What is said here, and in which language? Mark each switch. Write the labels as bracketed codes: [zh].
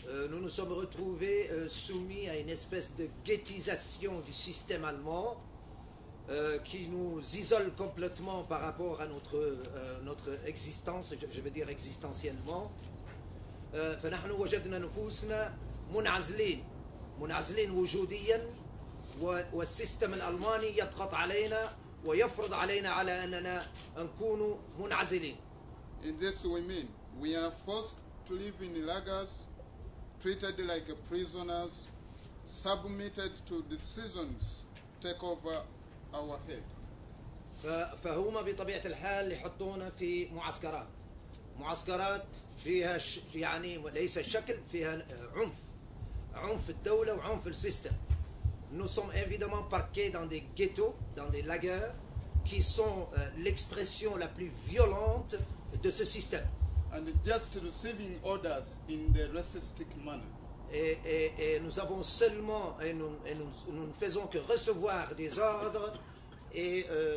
[fr] Nous nous sommes retrouvés soumis à une espèce de ghettisation du système allemand qui nous isole complètement par rapport à notre existence, je veux dire existentiellement. [ar] فنحن وجدنا نفوسنا منعزلين وجوديا والسيستم الألماني يضغط علينا ويفرض علينا على أننا نكون منعزلين. [en] In this we mean we are forced to live in lagers, treated like prisoners, submitted to decisions take over our head. [ar] فهما بطبيعة الحال يحطونا في معسكرات. معسكرات فيها يعني ليس شكل فيها عنف. عنف الدولة وعنف السيستم. [fr] Nous sommes évidemment parqués dans des ghettos, dans des lagers, qui sont l'expression la plus violente de ce système. [en] And just receiving orders in the racistic manner. [fr] Et nous avons seulement et nous ne faisons que recevoir des ordres et